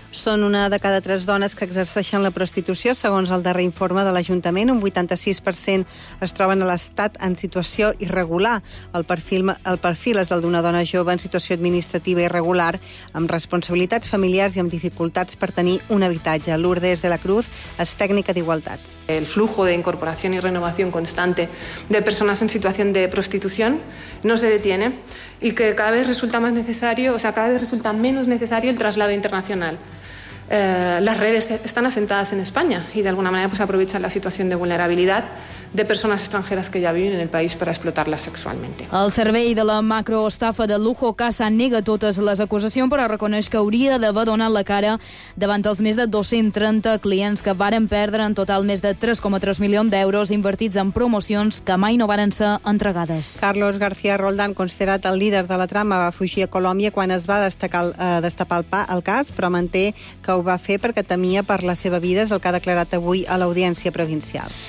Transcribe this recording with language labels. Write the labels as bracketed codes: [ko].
[ca] Són una de cada tres dones que exerceixen la prostitució, segons el darrer informe de l'Ajuntament. Un 86% es troben a l'estat en situació irregular. El perfil és el d'una dona jove en situació administrativa irregular, amb responsabilitats familiars i amb dificultats per tenir un habitatge. Lourdes de la Cruz és tècnica d'igualtat. [es] El flujo de incorporación y renovación constante de personas en situación de prostitución no se detiene y que cada vez resulta menos necesario el traslado internacional. Las redes están asentadas en España y de alguna manera pues aprovechan la situación de vulnerabilidad de [ca] persones estrangeres que ja viuen en el país per explotar-les [es] sexualmente. [ca] El servei de la macroestafa de Lujo Casa nega totes les acusacions, però reconeix que hauria d'haver donat la cara davant els més de 230 clients que varen perdre en total més de 3,3 milions d'euros invertits en promocions que mai no varen ser entregades. Carlos García Roldán, considerat el líder de la trama, va fugir a Colòmbia quan es va destapar el cas, però manté que ho va fer perquè temia per la seva vida, és el que ha declarat avui a l'Audiència Provincial.